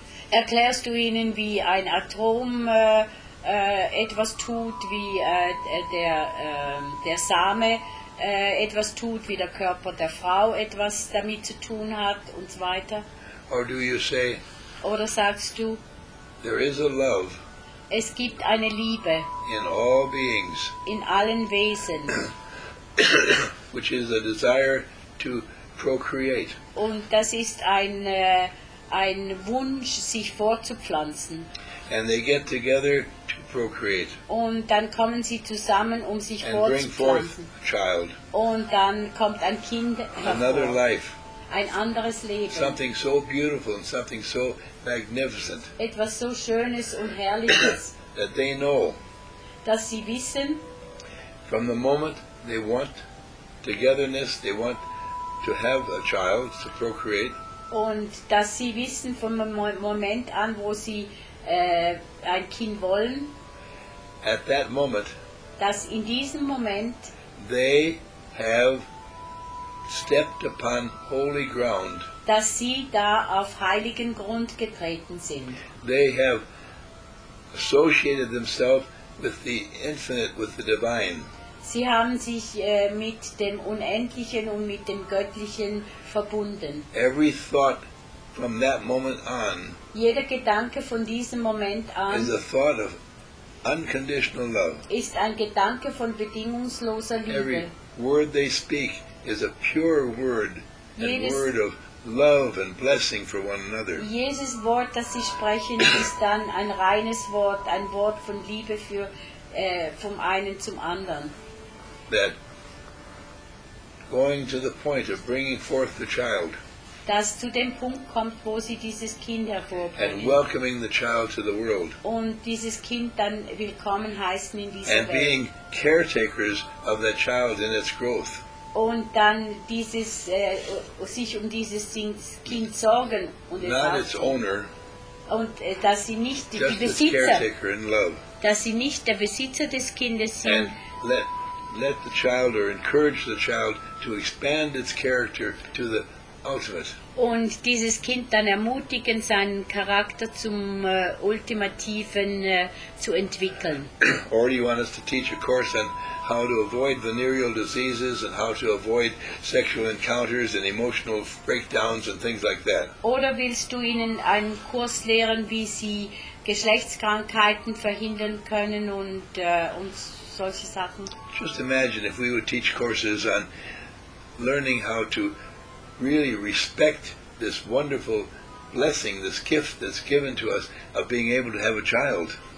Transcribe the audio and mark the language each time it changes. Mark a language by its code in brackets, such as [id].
[de] Erklärst du ihnen, wie ein Atom etwas tut, wie der Same etwas tut, wie der Körper der Frau etwas damit zu tun hat und so weiter? [en] Or do you say, [de] oder sagst du, [en] there is a love. [de] Es gibt eine Liebe [en] in all beings, [de] in allen Wesen, [en] which is a desire to procreate. [de] Und das ist ein Wunsch, sich fortzupflanzen. [en] And they get together to procreate. [de] Und dann kommen sie zusammen, um sich [en] and [de] fortzupflanzen. [en] Bring forth a child. [de] Und dann kommt ein Kind hervor. [en] Another life. [de] Ein anderes Leben. [en] Something so beautiful and something so magnificent. [de] Etwas so Schönes und Herrliches. [en] That they know. [de] Dass sie wissen. [en] From the moment they want togetherness, they want to have a child to procreate. [de] Und dass sie wissen vom Moment an, wo sie ein Kind wollen. [en] At that moment. [de] Dass in diesem Moment. [en] They have stepped upon holy ground. [de] Dass sie da auf heiligen Grund getreten sind. [en] They have associated themselves with the infinite, with the divine. [de] Sie haben sich mit dem Unendlichen und mit dem Göttlichen verbunden. [en] Every thought from that moment on. [de] Jeder Gedanke von diesem Moment an. [en] Is a thought of unconditional love. [de] Ist ein Gedanke von bedingungsloser Liebe. [en] Every word they speak is a pure word and word of love and blessing for one another. [de] Jesus Wort, das sie sprechen, ist dann ein reines Wort, ein Wort von Liebe für vom einen zum anderen. [en] That going to the point of bringing forth the child. [de] Das zu dem Punkt kommt, wo sie dieses Kind hervorbringen. [en] And welcoming the child to the world. [de] Und dieses Kind dann willkommen heißen in dieser Welt. [en] And being caretakers of that child in its growth. [de] Und dann dieses sich um dieses Kind sorgen und es [en] not its owner, [de] und dass sie nicht [en] just [de] die Besitzer, [en] its caretaker in love. [de] Dass sie nicht der Besitzer des Kindes sind. [en] And let the child or encourage the child to expand its character to the ultimate. [de] Und dieses Kind dann ermutigen, seinen Charakter zum ultimativen zu entwickeln. [en] Or do you want us to teach a course on how to avoid venereal diseases and how to avoid sexual encounters and emotional breakdowns and things like that? [de] Oder willst du ihnen einen Kurs lehren, wie sie Geschlechtskrankheiten verhindern können und solche Sachen? [en] Just imagine if we would teach courses on learning how to really respect this wonderful blessing, this gift that's given to us of being able to have a child.